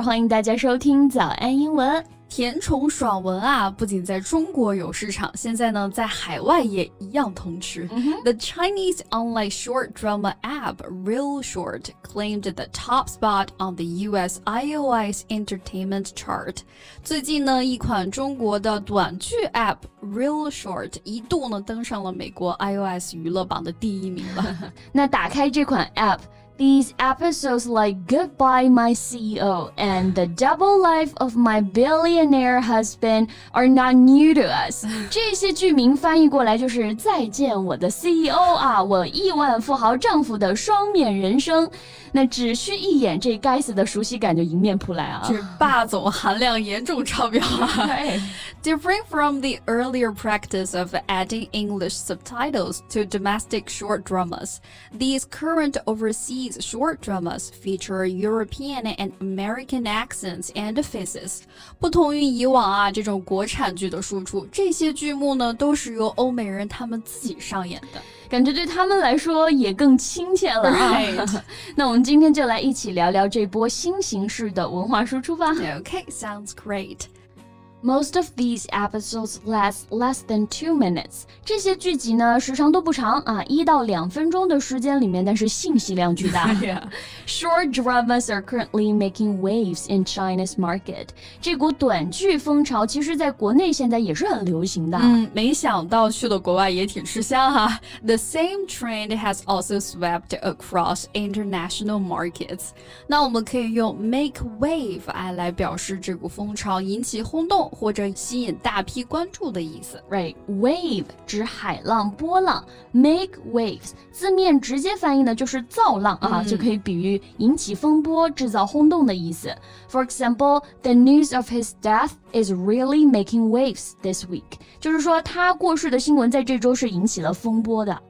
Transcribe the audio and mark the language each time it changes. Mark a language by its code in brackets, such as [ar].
[zh] 欢迎大家收听早安英文。甜宠爽文啊，不仅在中国有市场，现在呢，在海外也一样通吃。 Mm-hmm. [en] The Chinese online short drama app Real Short claimed the top spot on the U.S. iOS entertainment chart. [zh] 最近呢，一款中国的短剧 app Real Short 一度呢，登上了美国 iOS 娱乐榜的第一名了。那打开这款 app, [en] These episodes like Goodbye My CEO and The Double Life of My Billionaire Husband are not new to us. [zh] 这些剧名翻译过来就是再见我的 CEO 啊，我亿万富豪丈夫的双面人生。那只需一眼，这该死的熟悉感就迎面扑来啊。这霸总含量严重超标啊。 [en] Different from the earlier practice of adding English subtitles to domestic short dramas, these current overseas short dramas feature European and American accents and faces. [zh] 不同于以往啊，这种国产剧的输出，这些剧目呢，都是由欧美人他们自己上演的。感觉对他们来说也更亲切了、啊。 [en] Right. [zh] 那我们今天就来一起聊聊这波新形式的文化输出吧。 [en] Okay, sounds great. Most of these episodes last less than 2 minutes. [zh] 这些剧集呢时长都不长啊，一到两分钟的时间里面，但是信息量巨大。 [en] Short dramas are currently making waves in China's market. [zh] 这股短剧风潮其实在国内现在也是很流行的。嗯，没想到去了国外也挺吃香哈。 [en] The same trend has also swept across international markets. [zh] 那我们可以用 make wave 来表示这股风潮引起轰动。或者吸引大批关注的意思 Right, wave 指海浪波浪 Make waves 字面直接翻译呢就是造浪啊、mm-hmm. 就可以比喻引起风波制造轰动的意思 [en] For example, the news of his death is really making waves this week [zh] 就是说他过世的新闻在这周是引起了风波的